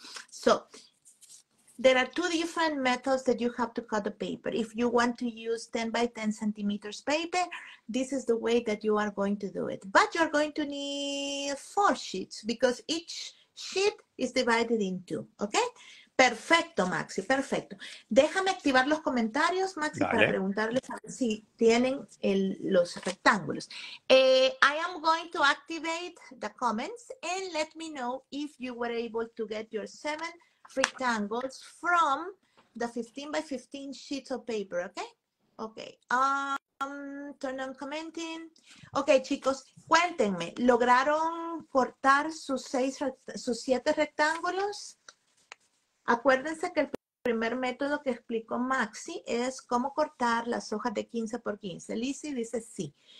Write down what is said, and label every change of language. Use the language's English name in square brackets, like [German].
[English] So there are two different methods that you have to cut the paper. If you want to use 10 by 10 centimeters paper, this is the way that you are going to do it. But you're going to need four sheets because each sheet is divided in two, okay? [Spanish] Perfecto, Maxi, perfecto. Déjame activar los comentarios, Maxi, Dale. Para preguntarles a ver si tienen los rectángulos. [English] I am going to activate the comments and let me know if you were able to get your seven rectangles from the 15 by 15 sheets of paper, okay? Okay. Turn on commenting. [Spanish] Okay, chicos, cuéntenme, ¿lograron cortar sus siete rectángulos? Acuérdense que el primer método que explicó Maxi es cómo cortar las hojas de 15 por 15. Lizzie dice sí.